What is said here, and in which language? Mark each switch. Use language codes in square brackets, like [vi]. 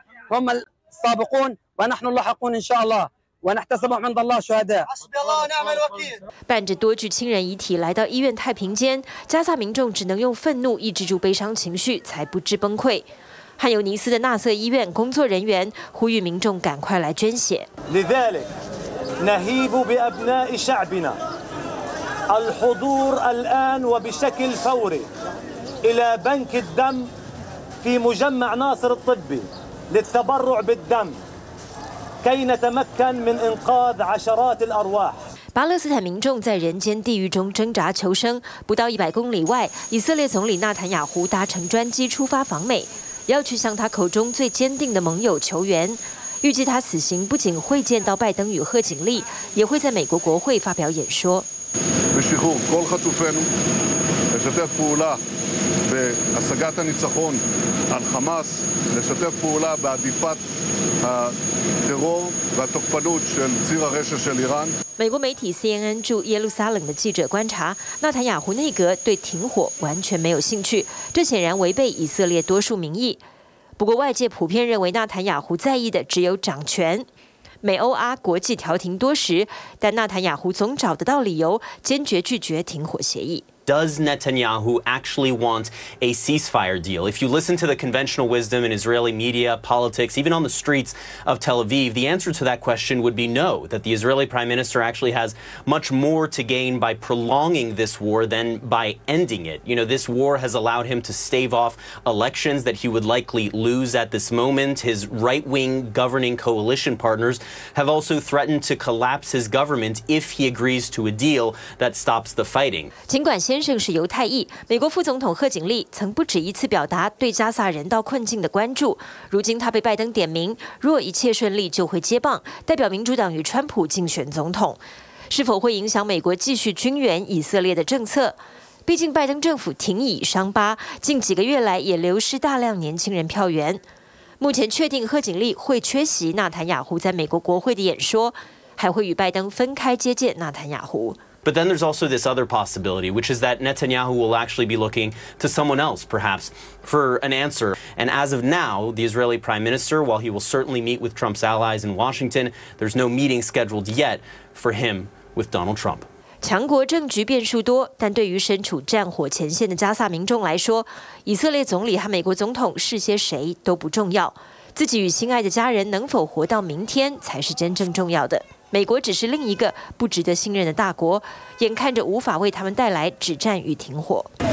[ar] هم السابقون ونحن اللاحقون إن شاء الله ونحتسبهم عند الله شهداء. [zh] 伴着多具亲人遗体来到医院太平间，加萨民众只能用愤怒抑制住悲伤情绪，才不致崩溃。汉尤尼斯的纳瑟医院工作人员呼吁民众赶快来捐血。 [ar] لذلك نهيب بأبناء شعبنا الحضور الآن وبشكل فوري إلى بنك الدم في مجمع ناصر الطبي للتبرع بالدم كي نتمكن من إنقاذ عشرات الأرواح。 [zh] 巴勒斯坦民众在人间地狱中挣扎求生，不到100公里外，以色列总理纳坦雅胡搭乘专机出发访美。要去向他口中最坚定的盟友求援，预计他此行不仅会见到拜登与贺锦丽，也会在美国国会发表演说。美国媒体 CNN 驻耶路撒冷的记者观察，纳坦雅胡内阁对停火完全没有兴趣，这显然违背以色列多数民意。不过外界普遍认为纳坦雅胡在意的只有掌权。美欧阿国际调停多时，但纳坦雅胡总找得到理由，坚决拒绝停火协议。 [en] Does Netanyahu actually want a ceasefire deal? If you listen to the conventional wisdom in Israeli media, politics, even on the streets of Tel Aviv, the answer to that question would be no, that the Israeli prime minister actually has much more to gain by prolonging this war than by ending it. You know, this war has allowed him to stave off elections that he would likely lose at this moment. His right-wing governing coalition partners have also threatened to collapse his government if he agrees to a deal that stops the fighting. [zh] 先生是犹太裔，美国副总统贺锦丽曾不止一次表达对加萨人道困境的关注。如今他被拜登点名，若一切顺利就会接棒，代表民主党与川普竞选总统。是否会影响美国继续军援以色列的政策？毕竟拜登政府停以伤疤，近几个月来也流失大量年轻人票源。目前确定贺锦丽会缺席纳坦雅胡在美国国会的演说，还会与拜登分开接见纳坦雅胡。 [en] But then there's also this other possibility, which is that Netanyahu will actually be looking to someone else, perhaps, for an answer. And as of now, the Israeli prime minister, while he will certainly meet with Trump's allies in Washington, there's no meeting scheduled yet for him with Donald Trump. [zh] 强国政局变数多，但对于身处战火前线的加萨民众来说，以色列总理和美国总统是些谁都不重要，自己与心爱的家人能否活到明天才是真正重要的。美国只是另一个不值得信任的大国，眼看着无法为他们带来止战与停火。